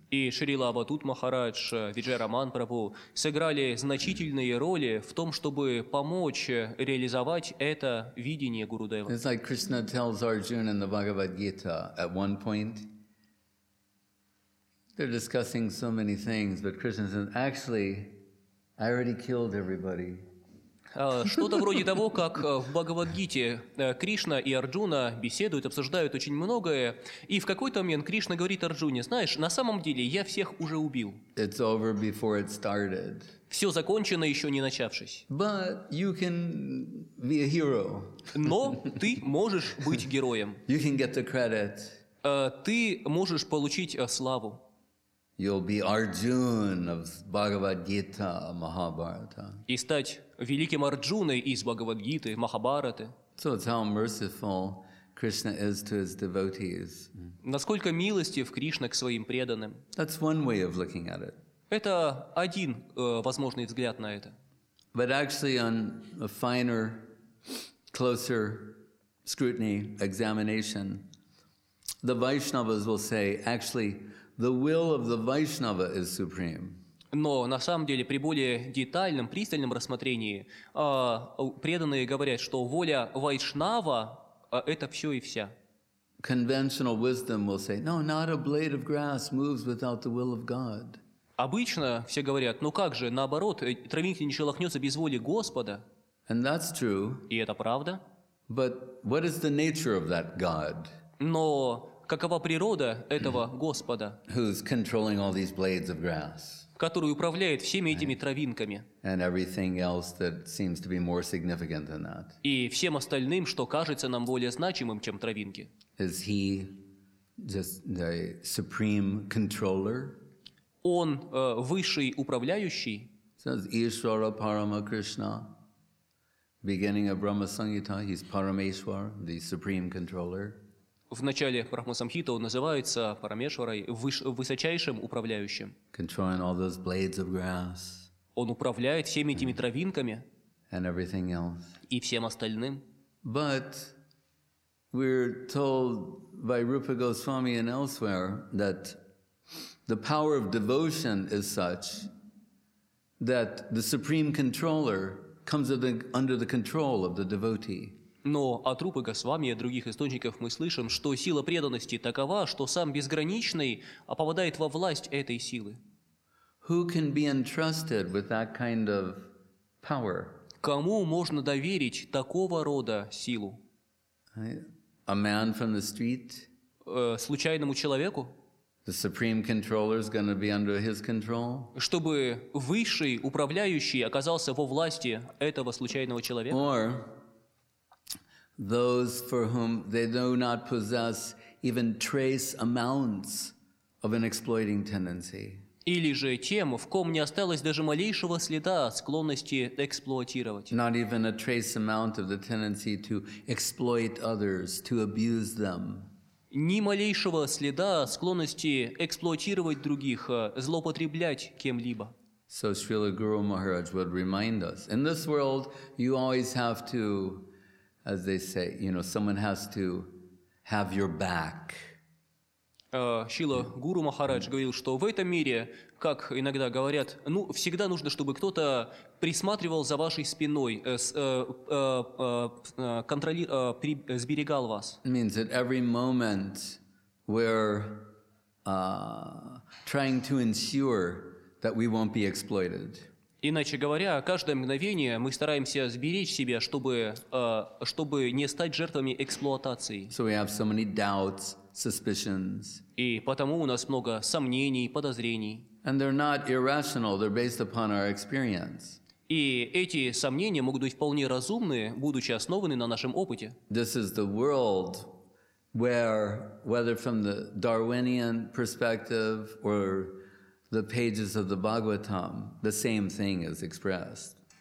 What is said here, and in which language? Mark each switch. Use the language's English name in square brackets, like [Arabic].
[Russian] И Шрила Авадут Махарадж, Виджай Раман Прабху сыграли значительные роли в том, чтобы помочь реализовать это видение Гурудева. [English] It's like Krishna tells Arjuna in the Bhagavad Gita at one point. They're discussing so many things, but Krishna says, actually, I already killed everybody. [Russian] Что-то вроде того, как в Бхагавад-гите Кришна и Арджуна беседуют, обсуждают очень многое, и в какой-то момент Кришна говорит Арджуне: «Знаешь, на самом деле я всех уже убил». [English] It's over before it started. [Russian] Все закончено, еще не начавшись. [English] But you can be a hero. [Russian] Но ты можешь быть героем. [English] You can get the credit. [Russian] Ты можешь получить славу. [English] You'll be Arjuna of Bhagavad-gita, Mahabharata. [Russian] И стать великим Арджуной из Бхагавад-гиты, Махабхараты. [English] So it's how merciful Krishna is to his devotees. [Russian] Насколько милостив Кришна к своим преданным. [English] That's one way of looking at it. [Russian] Это один возможный взгляд на это. [English] But actually on a finer, closer scrutiny, examination, the Vaishnavas will say, actually, the will of the Vaishnava is supreme. [Russian] Но на самом деле при более детальном, пристальном рассмотрении преданные говорят, что воля Вайшнава это все и вся. [English] Conventional wisdom will say, no, not a blade of grass moves without the will of God. [Russian] Обычно все говорят, ну как же, наоборот, травинка не шелохнется без воли Господа. [English] And that's true. [Russian] И это правда. [English] But what is the nature of that God? [Russian] Но какова природа этого Господа? [English] Who's controlling all these blades of grass? [Russian] Который управляет всеми этими травинками. [English] And everything else that seems to be more significant than that. [Russian] И всем остальным, что кажется нам более значимым, чем травинки. [English] Is he just the supreme controller? [Russian] Он высший управляющий. [English] Says Ishvara Parama Krishna, beginning of Brahma Sanghita, he's Parameshwar, the supreme controller. [Russian] В начале Брахмасамхита он называется Парамешварой, высочайшим управляющим. [English] Controlling all those blades of grass. [Russian] Он управляет всеми этими травинками. [English] And everything else. [Russian] И всем остальным. [English] But we're told by Rupa Goswami and elsewhere that the power of devotion is such that the supreme controller comes under the control of the devotee. [Russian] Но от Рупы Госвами и от других источников мы слышим, что сила преданности такова, что сам безграничный попадает во власть этой силы. [English] Who can be entrusted with that kind of power? [Russian] Кому можно доверить такого рода силу? [English] A man from the street? [Russian] Случайному человеку? [English] The supreme controller is going to be under his control? [Russian] Чтобы высший управляющий оказался во власти этого случайного человека? [English] Or those for whom they do not possess even trace amounts of an exploiting tendency. [Russian] Или же тем, в ком не осталось даже малейшего следа склонности эксплуатировать. [English] Not even a trace amount of the tendency to exploit others, to abuse them. [Russian] Ни малейшего следа склонности эксплуатировать других, злоупотреблять кем-либо. [English] So Srila Guru Maharaj would remind us, in this world you always have to, as they say, you know, someone has to have your back. [Russian] Шрила Гуру Махарадж говорил, что в этом мире, как иногда говорят, ну, всегда нужно, чтобы кто-то присматривал за вашей спиной, сберегал вас. [English] Means at every moment we're trying to ensure that we won't be exploited. [Russian] Иначе говоря, каждое мгновение мы стараемся сберечь себя, чтобы не стать жертвами эксплуатации. [English] So we have so many doubts, suspicions. [Russian] И потому у нас много сомнений, подозрений. [English] And they're not irrational, they're based upon our experience. [Russian] И эти сомнения могут быть вполне разумны, будучи основаны на нашем опыте. [English] This is the world where, whether from the Darwinian perspective or the pages of the Bhagavatam, the same thing is expressed.